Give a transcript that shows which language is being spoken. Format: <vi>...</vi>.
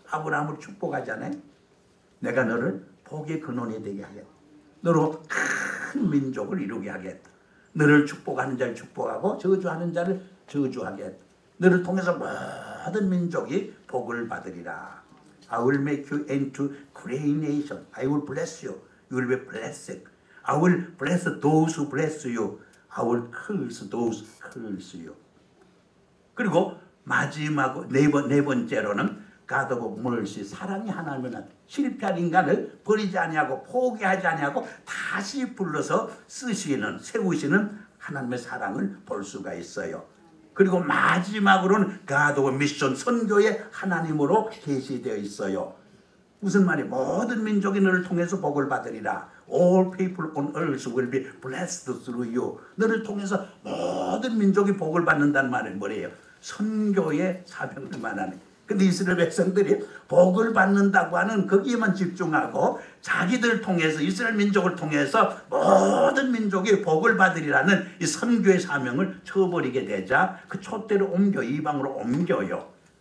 <ko>아브라함을 축복하잖아요. 내가 너를 복의 근원이 되게 하겠다. 너로 큰 민족을 이루게 하겠다. 너를 축복하는 자를 축복하고 저주하는 자를 저주하겠다. 너를 통해서 모든 민족이 복을 받으리라.</ko> <en>I will make you into great nation. I will bless you. You will be blessed. I will bless those who bless you. I will curse those who curse you.</en> <ko>그리고 마지막으로 네 번째로는</ko> <en>God of mercy,</en> <ko>사랑의 하나님은 실패한 인간을 버리지 아니하고 포기하지 아니하고 다시 불러서 쓰시는, 세우시는 하나님의 사랑을 볼 수가 있어요. 그리고 마지막으로는</ko> <en>God of mission,</en> <ko>선교의 하나님으로 계시되어 있어요. 무슨 말이, 모든 민족이 너를 통해서 복을 받으리라.</ko> <en>All people on earth will be blessed through you.</en> <ko>너를 통해서 모든 민족이 복을 받는다는 말은 뭐예요? 선교의 사명을 말하는. 근데 이스라엘 백성들이 복을 받는다고 하는 거기에만 집중하고 자기들 통해서, 이스라엘 민족을 통해서 모든 민족이 복을 받으리라는 이 선교의 사명을 쳐버리게 되자 그 촛대를 옮겨, 이방으로 옮겨요.</ko>